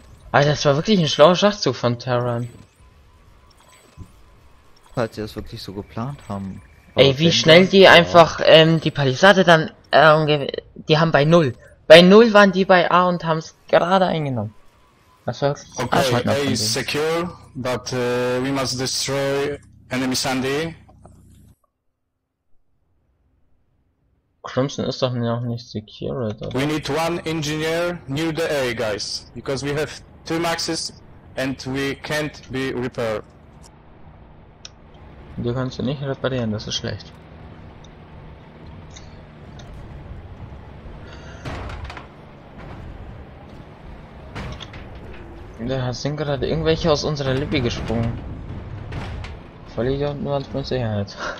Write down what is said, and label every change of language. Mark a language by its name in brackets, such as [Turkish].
[German] Alter, das war wirklich ein schlauer Schachzug von Terran. Falls sie das wirklich so geplant haben. Ey, wie schnell die einfach die Palisade dann die haben bei null. Bei null waren die bei A und haben es gerade eingenommen. Was war das? [English] Okay, A is secure, but we must destroy enemy Sandy. [German] Crimson ist doch noch nicht secure, oder? [English] We need one engineer near the A, guys. Because we have two maxes and we can't be repaired. [German] Du kannst ihn nicht reparieren, das ist schlecht. Da sind gerade irgendwelche aus unserer Lippe gesprungen. Verliere nur mit Sicherheit.